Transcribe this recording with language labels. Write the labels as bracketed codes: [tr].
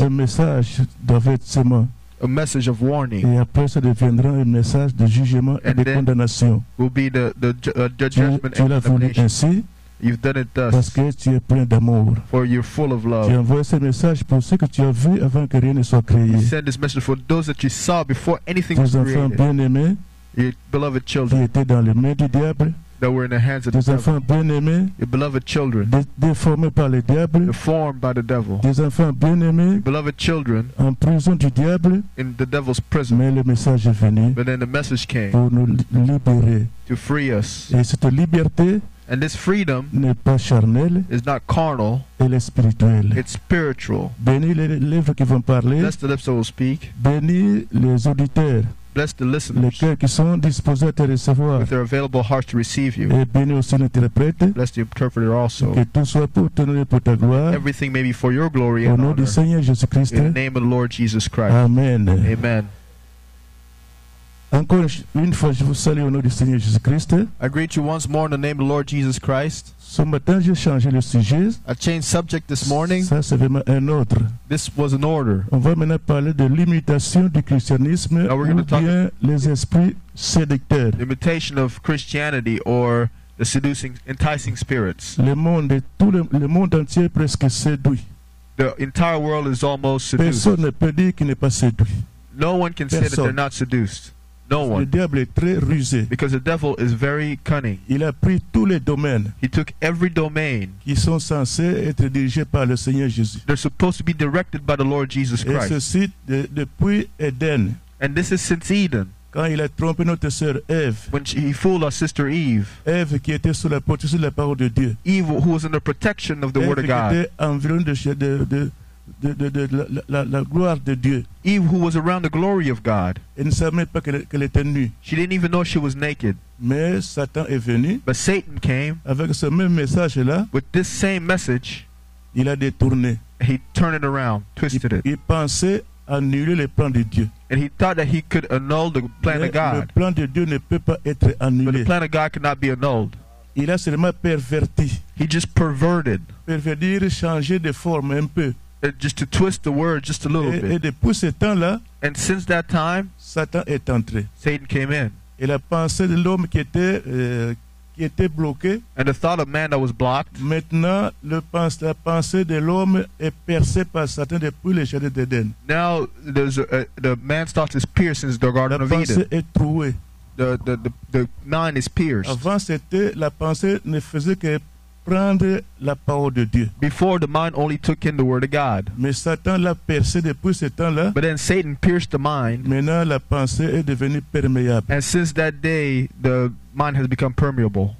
[fr] Un message d'avertissement. [en] A message of warning. [fr] Et après, ça deviendra un message de jugement et de condamnation. [en] Will be the judgment [fr] tu l'as voulu ainsi. [en] You've done it thus. [fr] Parce que tu es plein d'amour. [en] For you're full of love. [fr] Tu envoies ce message pour ceux que tu as vu avant que rien ne soit créé. [en] You send this message for those that you saw before anything [fr] tes [en] was created. [fr] Tes enfants bien-aimés. [en] Your beloved children. [fr] Qui étaient dans les mains du diable. [en] That were in the hands of the devil. [fr] Tes enfants bien-aimés. [en] Your beloved children. [fr] Déformés par le diable. [en] Deformed by the devil. [fr] Tes enfants bien-aimés. [en] Your beloved children. [fr] En prison du diable. [en] In the devil's prison. [fr] Mais le message est venu. [en] But then the message came. [fr] Pour nous libérer. [en] To free us. [fr] Et cette liberté. [en] And this freedom [fr] n'est pas charnel, [en] is not carnal. [fr] Elle est spirituelle. [en] It's spiritual. [fr] Bénis les lèvres qui vont parler. [en] Bless the lips that will speak. [fr] Bénis les auditeurs. [en] Bless the listeners. [fr] Les cœurs qui sont disposés à te recevoir. [en] With their available hearts to receive you. [fr] Et bénis aussi l'interprète. [en] Bless the interpreter also. [fr] Que tout soit pour ton honneur et pour ta gloire. [en] Everything may be for your glory [fr] au [en] and honor. [fr] Au nom du Seigneur Jésus Christ. [en] In the name of the Lord Jesus Christ. [fr] Amen. [en] Amen. [fr] Encore une fois, je vous salue au nom du Seigneur Jésus Christ. [en] I greet you once more in the name of the Lord Jesus Christ. [fr] Ce matin, j'ai changé le sujet. [en] I changed subject this morning. [fr] Ça, c'est vraiment un ordre. [en] This was an order. [fr] On va maintenant parler de l'imitation du christianisme ou bien les esprits séducteurs. [en] Imitation of Christianity or the seducing, enticing spirits. [fr] Le monde entier est presque séduit. [en] The entire world is almost seduced. [fr] Personne ne peut dire qu'il n'est pas séduit. [en] No one can say that they're not seduced. No one. [fr] Le diable est très rusé. [en] Because the devil is very cunning. [fr] Il a pris tous les domaines. [en] He took every domain. [fr] Qui sont censés être dirigés par le Seigneur Jésus. [en] They're supposed to be directed by the Lord Jesus Christ. [fr] Et ceci depuis Eden. [en] And this is since Eden. [fr] Quand il a trompé notre sœur Ève. [en] When he fooled our sister Eve. [fr] Ève qui était sous la protection de la parole de Dieu. [en] Eve who was under protection of the Eve word of God. [fr] Qui était environnée de la gloire de Dieu. [en] Eve who was around the glory of God. [fr] Elle ne savait pas qu'elle était nue. [en] She didn't even know she was naked. [fr] Mais Satan est venu. [en] But Satan came. [fr] Avec ce même message là. [en] With this same message. [fr] Il a détourné. [en] He turned it around, twisted it. [fr] Il pensait annuler le plan de Dieu. [en] And he thought that he could annul the plan [fr] Mais [en] of God. [fr] Le plan de Dieu ne peut pas être annulé. [en] But the plan of God cannot be annulled. [fr] Il a seulement perverti. [en] He just perverted. [fr] Pervertir, changer de forme un peu. [en] just to twist the word just a little bit. [fr] Et depuis ce temps-là, [en] and since that time, [fr] Satan est entré. [en] Satan came in. [fr] Et la pensée de l'homme qui était bloqué, [en] and the thought of man that was blocked. [fr] Maintenant, la pensée de l'homme est percée par Satan depuis le jardin d'Eden. [en] Now the man's thought is pierced since the Garden of Eden. [fr] La pensée est trouée. [en] The mind is pierced. [fr] Avant c'était la pensée ne faisait que prendre la parole de Dieu. [en] Before the mind only took in the word of God. [fr] Mais Satan l'a percé depuis ce temps-là. [en] But then Satan pierced the mind. [fr] Maintenant la pensée est devenue perméable. [en] And since that day, the mind has become permeable.